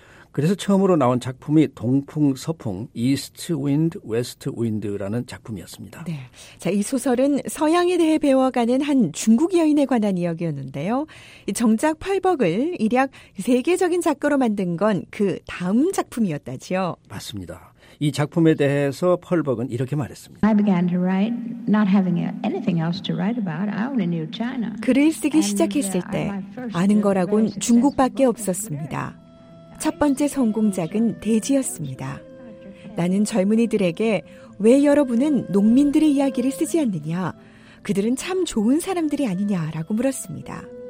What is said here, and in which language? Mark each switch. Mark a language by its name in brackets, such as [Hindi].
[Korean] 그래서 처음으로 나온 작품이 동풍, 서풍, 이스트 윈드, 웨스트 윈드라는 작품이었습니다. 네, 자, 이 소설은 서양에 대해 배워가는 한 중국 여인에 관한 이야기였는데요. 정작 펄벅을 일약 세계적인 작가로 만든 건 그 다음 작품이었다지요. 맞습니다. 이 작품에 대해서 펄벅은 이렇게 말했습니다. [English] I began to write, not having anything else to write about. I only knew China. [Korean] 글을 쓰기 시작했을 때 아는 거라곤 중국밖에 없었습니다. 첫 번째 성공작은 대지였습니다. 나는 젊은이들에게 왜 여러분은 농민들의 이야기를 쓰지 않느냐, 그들은 참 좋은 사람들이 아니냐라고 물었습니다.